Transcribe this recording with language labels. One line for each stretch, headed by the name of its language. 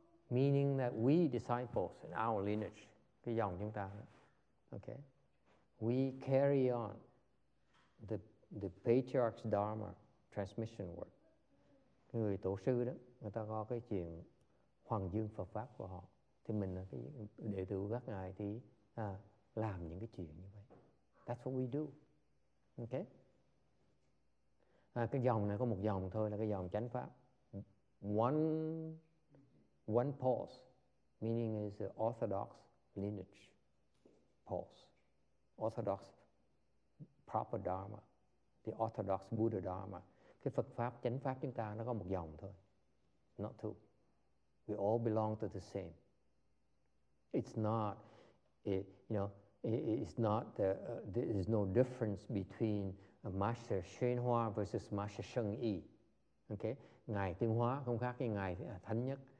English: Meaning that we disciples in our lineage, okay, we carry on the patriarch's dharma transmission work.
Vietnamese: Người tổ sư đó, người ta có cái chuyện hoằng dương Phật pháp của họ. Thì mình là cái đệ tử của các ngài thì làm những cái chuyện như vậy.
English: That's what we do. Okay.
Vietnamese: Cái dòng này có một dòng thôi là cái dòng chánh pháp.
English: One pulse, meaning is the orthodox lineage pulse, orthodox proper dharma, the orthodox Buddha dharma.
Vietnamese: Cái Phật pháp chánh pháp chúng ta nó có một dòng thôi,
English: not two. We all belong to the same. It's not, It's not the, there is no difference between a Master Xuyên Hoa versus Master Sheng Yi. Okay?
Vietnamese: Ngài Tinh Hoa không khác với Ngài Thánh Nhất.